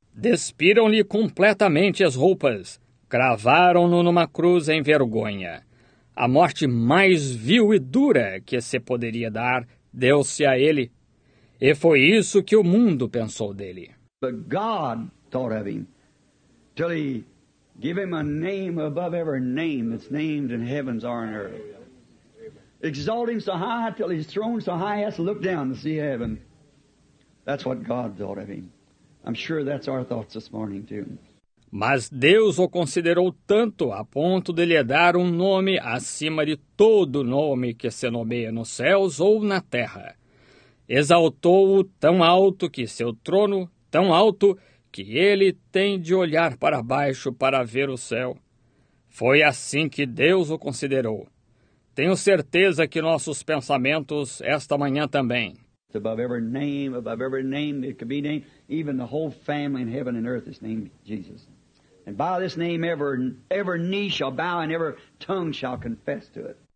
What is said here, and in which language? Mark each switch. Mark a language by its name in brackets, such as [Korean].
[Portuguese] Despiram-lhe completamente as roupas. Cravaram-no numa cruz em vergonha. A morte mais vil e dura que se poderia dar, deu-se a ele. E foi isso que o mundo pensou dele. [English] But God thought of him. Till he gave him a name above every name that's named in heavens or in earth. Exalt him so high till he's thrown so high he has to look down to see heaven. That's what God thought of him. I'm sure that's our thoughts this morning too. [Portuguese] Mas Deus o considerou tanto a ponto de lhe dar nome acima de todo nome que se nomeia nos céus ou na terra. Exaltou-o tão alto que seu trono, tão alto que ele tem de olhar para baixo para ver o céu. Foi assim que Deus o considerou. Tenho certeza que nossos pensamentos esta manhã também. [English] Above every name it could be named, even the whole family in heaven and earth is named Jesus. And by this name every knee shall bow and every tongue shall confess to it.